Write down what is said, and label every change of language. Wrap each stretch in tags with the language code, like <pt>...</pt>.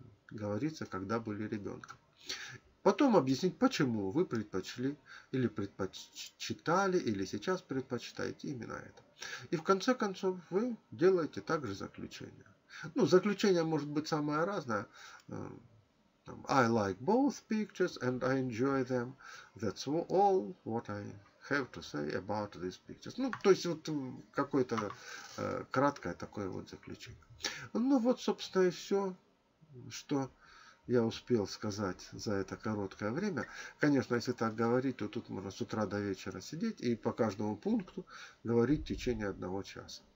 <ru>Говорится, когда были ребенком. Потом объяснить, почему вы предпочли, или предпочитали, или сейчас предпочитаете именно это. И в конце концов вы делаете также заключение. Ну, заключение может быть самое разное.</ru> <en>I like both pictures and I enjoy them. That's all what I have to say about these pictures.</en> <ru>Ну, то есть, вот какое-то краткое такое вот заключение. Ну, вот, собственно, и все. Что я успел сказать за это короткое время. Конечно, если так говорить, то тут можно с утра до вечера сидеть и по каждому пункту говорить в течение 1 часа.</ru>